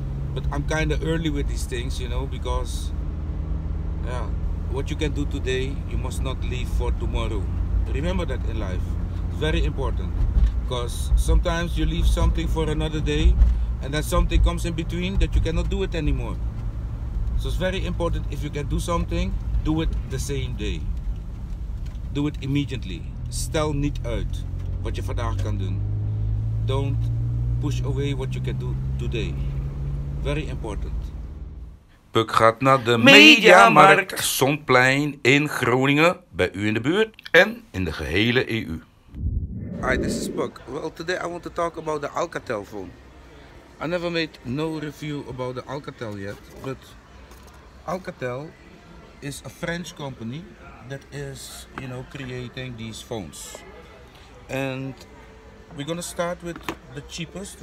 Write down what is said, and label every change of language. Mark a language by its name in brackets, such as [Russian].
[English] But I'm kind of early with these things, you know, because what you can do today, you must not leave for tomorrow. Remember that in life. It's very important, because sometimes you leave something for another day and then something comes in between that you cannot do it anymore. So it's very important, if you can do something, do it the same day. Do it immediately. [Dutch] Stel niet uit wat je vandaag kan doen. [English] Don't push away what you can do today. Very important. [Dutch] Buk gaat naar de Mediamarkt Zonplein in Groningen, bij u in de buurt en in de gehele EU. [English] Hi, this is Buk. Well, today I want to talk about the Alcatel phone. I never made no review about the Alcatel yet, but Alcatel is a French company that is, you know, creating these phones. And we're gonna start with the cheapest.